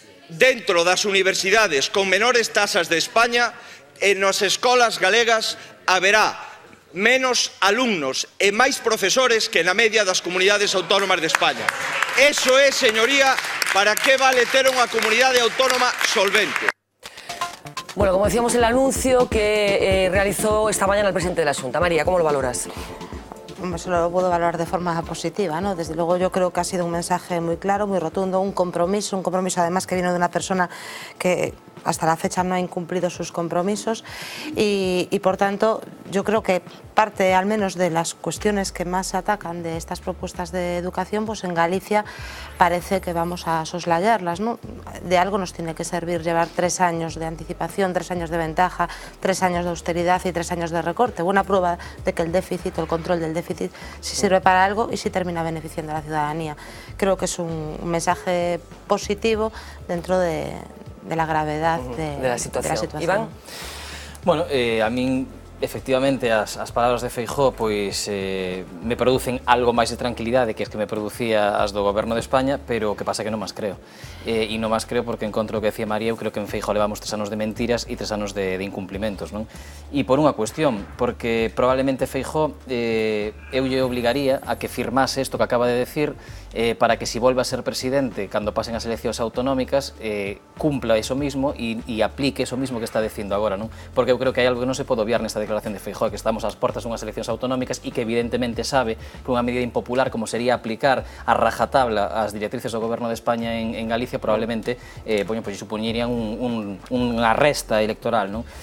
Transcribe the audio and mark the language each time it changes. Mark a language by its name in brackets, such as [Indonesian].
[Galician] dentro das universidades con menores tasas de España, en as escolas galegas haberá menos alumnos e máis profesores que na media das comunidades autónomas de España. Eso é, señoría, para que vale ter unha comunidade autónoma solvente. [Spanish] Bueno, como decíamos, el anuncio que realizó esta mañana el presidente de la Xunta. María, ¿cómo lo valoras? Eso lo puedo valorar de forma positiva, ¿no? Desde luego yo creo que ha sido un mensaje muy claro, muy rotundo, un compromiso además que vino de una persona que hasta la fecha no ha incumplido sus compromisos y por tanto yo creo que parte al menos de las cuestiones que más se atacan de estas propuestas de educación, pues en Galicia parece que vamos a soslayarlas, ¿no? De algo nos tiene que servir llevar 3 años de anticipación, 3 años de ventaja, 3 años de austeridad y 3 años de recorte. Buena prueba de que el déficit o el control del déficit sí sirve para algo y sí termina beneficiando a la ciudadanía. Creo que es un mensaje positivo dentro de la gravedad de la situación. Iván. [Galician] Bueno, a mí efectivamente as palabras de Feijóo pois me producen algo máis de tranquilidade que es que me producía as do Goberno de España, pero o que pasa é que non más creo. E non más creo porque encontro o que decía María, eu creo que en Feijóo levamos 3 anos de mentiras e 3 anos de incumplimentos, non? E por unha cuestión, porque probablemente Feijóo eu lle obligaría a que firmase isto que acaba de decir para que si volva a ser presidente cando pasen as eleccións autonómicas cumpla iso mesmo e aplique iso mesmo que está dicindo agora, non? Porque eu creo que hai algo que non se pode obviar nesta declaración de Feijóo, que estamos ás portas dunhas eleccións autonómicas e que evidentemente sabe que unha medida impopular como sería aplicar a rajatabla as directrices do Goberno de España en Galicia probablemente supoñerían unha resta electoral, non?